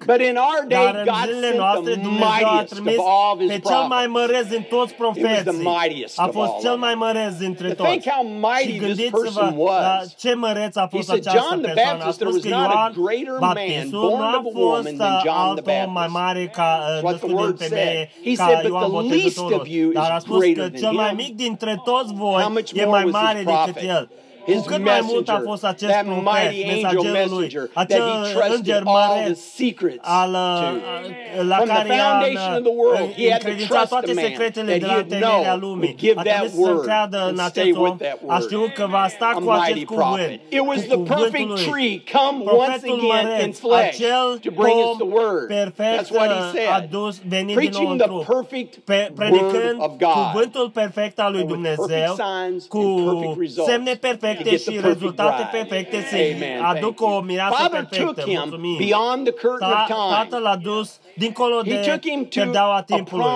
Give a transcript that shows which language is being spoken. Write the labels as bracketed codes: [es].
[en] But in our day, God sent the mightiest of all his prophets. [ro] Pe cel mai măreț din toți profeții. [en] He was the mightiest of all. [ro] A fost cel mai măreț dintre toți. [en] Think how mighty this person was. [ro] La ce măreț a fost această persoană. [en] He said, John the Baptist, there was not a greater man born of a woman than John the Baptist. [ro] Altul mai mare ca născut din femeie. [en] He said, but the least of you is greater than him. [ro] Dar a spus că cel mai mic dintre toți voi e mai mare decât el. [en] His messenger, that mighty angel messenger, that he trusted all the secrets to. From the foundation of the world, he had to trust the man that he had known would give that word and stay with that word. A mighty prophet. It was the perfect tree come once again in flesh to bring us the word. That's what he said. Preaching the perfect word of God. [ro] Cuvântul perfect al lui Dumnezeu, [en] with perfect signs and perfect results. [ro] perfecte și rezultate perfecte să aduc o mireasă perfectă. [en] Beyond the curtain of time. [ro] Tatăl l-a dus dincolo de perdeaua timpului.